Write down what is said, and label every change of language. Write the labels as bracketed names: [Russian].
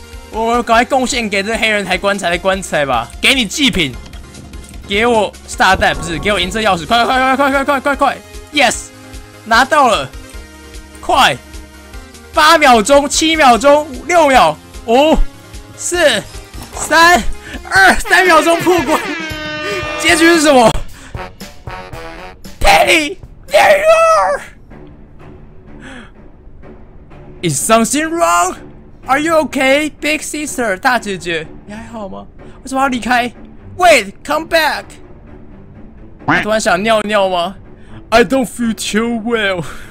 [Chinese] 我赶快贡献给这黑人抬棺材的棺材吧，给你祭品，给我炸弹，不是给我银色钥匙，快快快快快快快快 ，yes， 拿到了，快，八秒钟，七秒钟，六秒，五、四、三、二，三秒钟破关，结局是什么 ？ [English] Penny， there you are， is something wrong？ Are you okay, Big Sister 大姐姐？ [Chinese] 你还好吗？为什么要离开 ？ [English] Wait, come back！ [Chinese] 我突然想尿尿吗 ？ [English] I don't feel too well。